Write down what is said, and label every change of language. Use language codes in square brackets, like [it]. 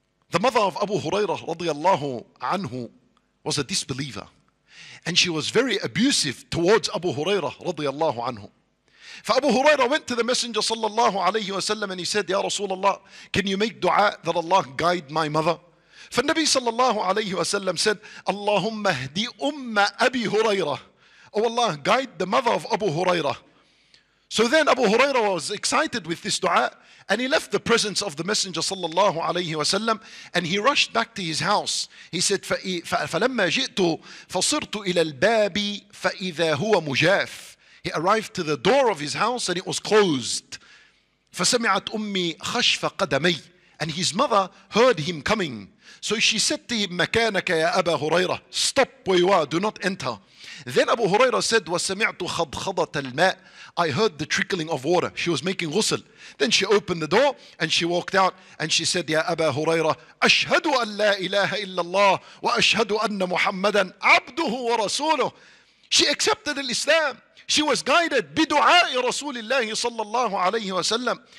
[en] The mother of Abu Hurairah رضي الله عنه was a disbeliever. And she was very abusive towards Abu Hurairah رضي الله عنه. فأبو هريرة went to the messenger صلى الله عليه وسلم and he said, [ar] يا رسول الله, [en] can you make dua that Allah guide my mother? [ar] فالنبي صلى الله عليه وسلم said, اللهم اهدي أم أبي هريرة. [en] Oh Allah, guide the mother of Abu Hurairah. So then Abu Hurairah was excited with this dua and he left the presence of the messenger صلى الله عليه وسلم and he rushed back to his house. He said, [ar] فلما جئت فصرت إلى الباب فإذا هو مجاف. [en] He arrived to the door of his house and it was closed. [ar] فَسَمِعَتْ أُمِّي خَشْفَ قَدَمَيْ. [en] And his mother heard him coming. So she said to him, [ar] مَكَانَكَ يَا أَبَا هُرَيْرَةَ. [en] Stop where you are, do not enter. Then Abu Hurairah said, [ar] وَسَمِعْتُ خَضْخَضَةَ الْمَاءِ. [en] I heard the trickling of water. She was making ghusl. Then she opened the door and she walked out and she said, [ar] يَا أَبَا هُرَيْرَةَ أَشْهَدُ أَنْ لَا إِلَهَ إِلَّا اللَّهِ وَأَشْهَدُ أَنَّ مُحَمَّدًا عَبْدُهُ وَرَسُولُهُ. [en] She accepted Islam. She was guided [ar] بِدُعَاءِ رَسُولِ اللَّهِ صَلَّى اللَّهُ عَلَيْهِ وَسَلَّمُ.